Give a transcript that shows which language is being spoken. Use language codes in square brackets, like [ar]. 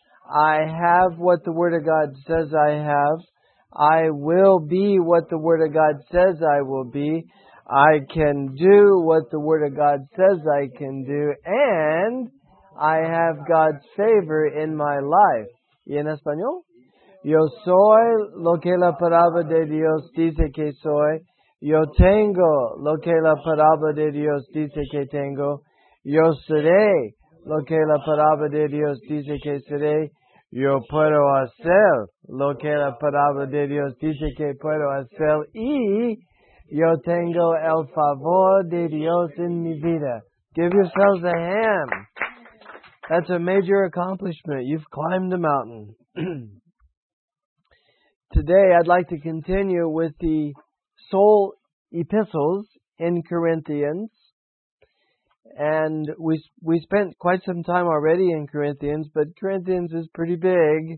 [en] I have what the Word of God says I have. I will be what the Word of God says I will be. I can do what the Word of God says I can do. And I have God's favor in my life. [es] ¿Y en español? Yo soy lo que la palabra de Dios dice que soy. Yo tengo lo que la palabra de Dios dice que tengo. Yo seré lo que la palabra de Dios dice que seré. Yo puedo hacer lo que la palabra de Dios dice que puedo hacer. Y yo tengo el favor de Dios en mi vida. [en] Give yourselves a hand. That's a major accomplishment. You've climbed the mountain. Today, I'd like to continue with the soul epistles in Corinthians. And we spent quite some time already in Corinthians, but Corinthians is pretty big.